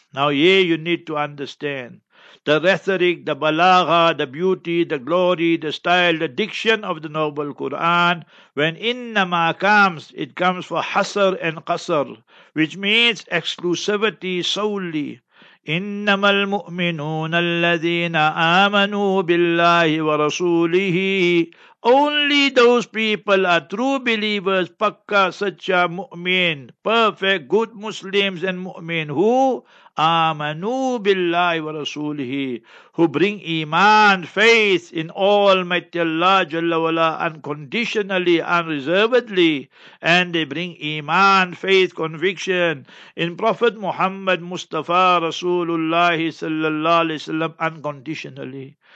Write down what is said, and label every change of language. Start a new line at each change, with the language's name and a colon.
English: Now here you need to understand the rhetoric, the balagha, the beauty, the glory, the style, the diction of the noble Quran. When innama comes, it comes for hasr and qasr, which means exclusivity solely.
Arabic: إنما المؤمنون الذين آمنوا بالله ورسوله.
English: Only those people are true believers,
Urdu: pakka, sacha,
English: mu'min, perfect, good Muslims and mu'min, who
Arabic: amanu billahi wa rasulihi,
English: who bring iman, faith in Almighty Allah Jalla wala unconditionally, unreservedly, and they bring iman, faith, conviction in Prophet Muhammad Mustafa Rasulullah sallallahu alaihi wasallam unconditionally.